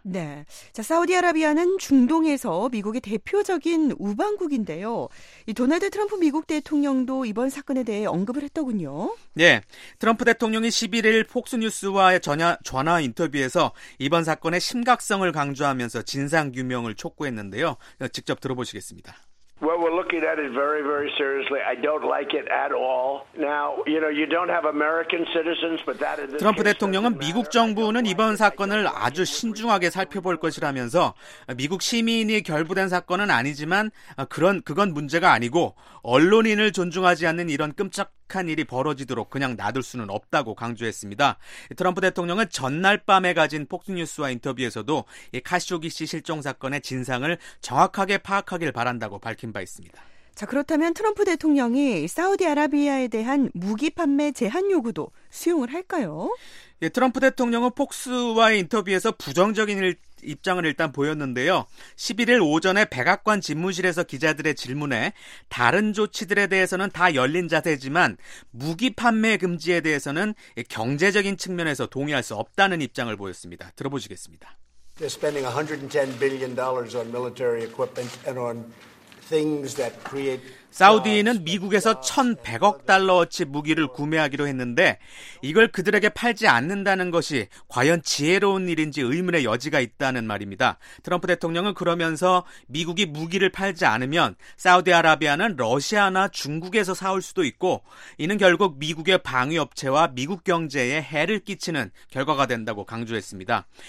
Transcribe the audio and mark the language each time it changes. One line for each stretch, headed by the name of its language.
Korean: 네, 자, 사우디아라비아는 중동에서 미국의 대표적인 우방 국인데요. 이 도널드 트럼프 미국 대통령도 이번 사건에 대해 언급을 했더군요. 네, 트럼프 대통령이 11일 폭스뉴스와의 전화 인터뷰에서 이번 사건의 심각성을 강조하면서 진상 규명을 촉구했는데요. 직접 들어보시겠습니다.
English: Well, we're looking at it very, very seriously. I don't like it at all. Now, you know, you don't have American citizens, but that is.
Korean: 트럼프 대통령은 미국 정부는 이번 사건을 아주 신중하게 살펴볼 것이라면서 미국 시민이 결부된 사건은 아니지만 그건 문제가 아니고 언론인을 존중하지 않는 이런 끔찍. 한 일이 벌어지도록 그냥 놔둘 수는 없다고 강조했습니다. 트럼프 대통령은 전날 밤에 가진 폭스뉴스와 인터뷰에서도 카쇼기 씨 실종 사건의 진상을 정확하게 파악하길 바란다고 밝힌 바 있습니다. 자, 그렇다면 트럼프 대통령이 사우디아라비아에 대한 무기 판매 제한 요구도 수용을 할까요? 예, 트럼프 대통령은 폭스와의 인터뷰에서 부정적인 입장을 일단 보였는데요. 11일 오전에 백악관 집무실에서 기자들의 질문에 다른 조치들에 대해서는 다 열린 자세지만 무기 판매 금지에 대해서는 경제적인 측면에서 동의할 수 없다는 입장을 보였습니다. 들어보시겠습니다.
English: They're spending $110 billion on military equipment and on things that create
Korean: 사우디는 미국에서 1,100억 달러어치 무기를 구매하기로 했는데 이걸 그들에게 팔지 않는다는 것이 과연 지혜로운 일인지 의문의 여지가 있다는 말입니다. 트럼프 대통령은 그러면서 미국이 무기를 팔지 않으면 사우디아라비아는 러시아나 중국에서 사올 수도 있고 이는 결국 미국의 방위업체와 미국 경제에 해를 끼치는 결과가 된다고 강조했습니다.